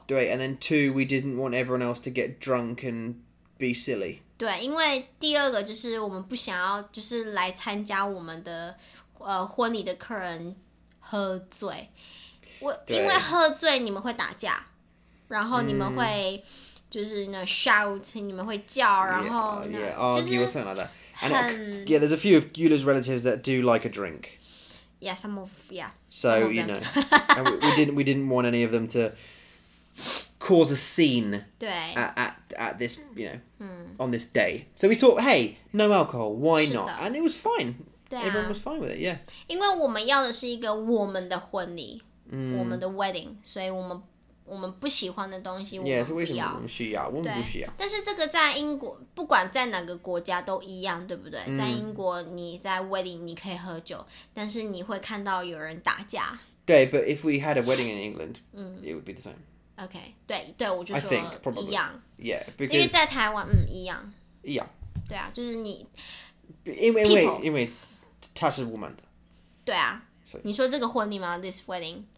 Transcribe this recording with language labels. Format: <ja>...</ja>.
<en>对 ，and then two, we didn't want everyone else to get drunk and be silly.</en> <zh>对，因为第二个就是我们不想要，就是来参加我们的婚礼的客人喝醉。因为喝醉你们会打架，然后你们会。就是</zh> <en>you know, shout,</en> <zh>你们会叫，然后</zh> <en>yeah, argue or something like that. And yeah, there's a few of Eula's relatives that do like a drink. Yeah, some of, yeah. So, you know, and we didn't want any of them to cause a scene</en> <zh>对.</zh> <en>At this, you know, on this day. So we thought, hey, no alcohol, why not? And it was fine.</en> <zh>对啊.</zh> <en>Everyone was fine with it, yeah.</en> <zh>因为我们要的是一个我们的婚礼, 我们的 wedding, 所以我们 我们不喜欢的东西我们不需要但是这个在英国不管在哪个国家都一样对不对在英国你在wedding你可以喝酒但是你会看到有人打架对</zh> <en>but if we had a wedding in England it would be the same</en> <zh>okay 对我就说一样</zh> <en>yeah because</en> <zh>因为在台湾 一样</zh> <en>yeah</en> <zh>对啊就是你因为 她是woman的对啊 你说这个婚礼吗</zh> <en>this wedding</en>